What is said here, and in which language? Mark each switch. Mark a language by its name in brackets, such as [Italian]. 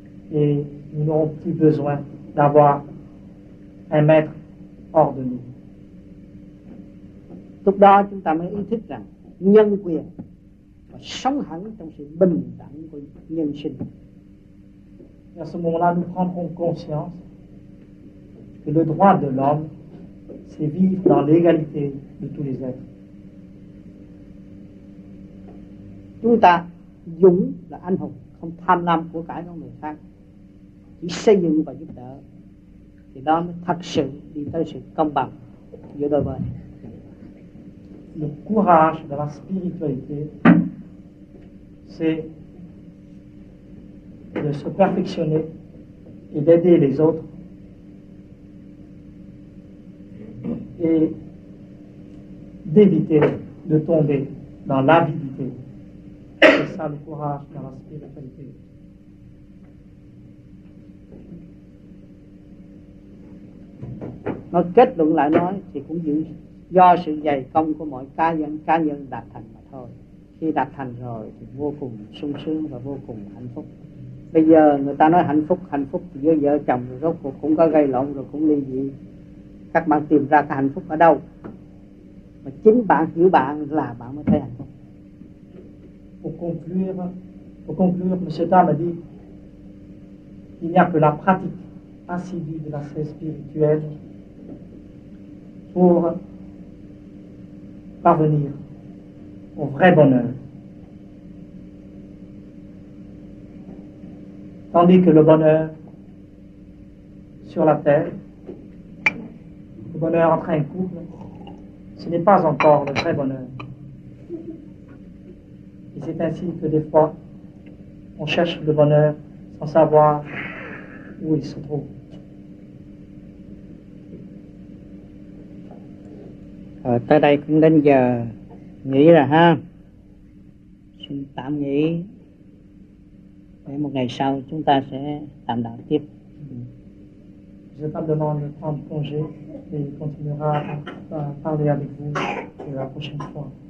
[French] Et nous n'aurons plus besoin d'avoir un maître hors de nous. [Vietnamese] Lúc đó chúng ta mới ý thức rằng nhân quyền và sống hẳn trong sự bình đẳng của nhân sinh. [French] Et à ce moment-là, nous prendrons conscience que le droit de l'homme, c'est vivre dans l'égalité de tous les êtres. [Vietnamese] Chúng ta dũng là anh hùng, không tham lam của cải của người khác, chỉ xây dựng và giúp đỡ, thì đó mới thật sự đi tới sự công bằng giữa đôi bên. [French] Le courage de la spiritualité, c'est de se perfectionner et d'aider les autres et d'éviter de tomber dans l'avidité C'est ça le courage dans la spiritualité. [Vietnamese] Nó kết luận lại nói thì cũng do sự dày công của mỗi cá nhân đạt thành mà thôi. Khi đạt thành rồi thì vô cùng sung sướng và vô cùng hạnh phúc. Bây giờ người ta nói hạnh phúc giữa vợ chồng rồi rốt cuộc cũng có gây lộn rồi cũng ly dị. Các bạn tìm ra cái hạnh phúc ở đâu? Mà chính bạn hiểu bạn là bạn mới thấy hạnh phúc. [French] Pour conclure, Monsieur Tam a dit, il n'y a que la pratique assidue de la sphère spirituelle pour parvenir au vrai bonheur. Tandis que le bonheur sur la terre, le bonheur entre un couple, ce n'est pas encore le vrai bonheur. Et c'est ainsi que des fois, on cherche le bonheur sans savoir où il se trouve. [Vietnamese] Tới đây cũng đến giờ nghỉ rồi ha. Xin tạm nghỉ. Để một ngày sau chúng ta sẽ tạm đạo tiếp. [French] Je vous demande de prendre congé et continuera à parler avec vous la prochaine fois.